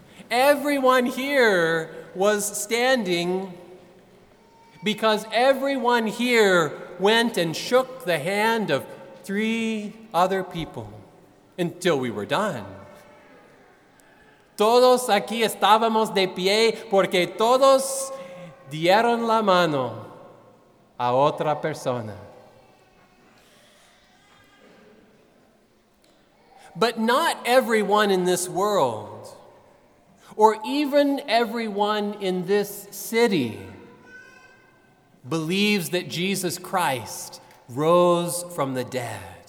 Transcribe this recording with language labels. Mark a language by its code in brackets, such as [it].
[en] Everyone here was standing because everyone here went and shook the hand of three other people. Until we were done. [es] Todos aquí estábamos de pie porque todos dieron la mano a otra persona. [en] But not everyone in this world, or even everyone in this city, believes that Jesus Christ rose from the dead.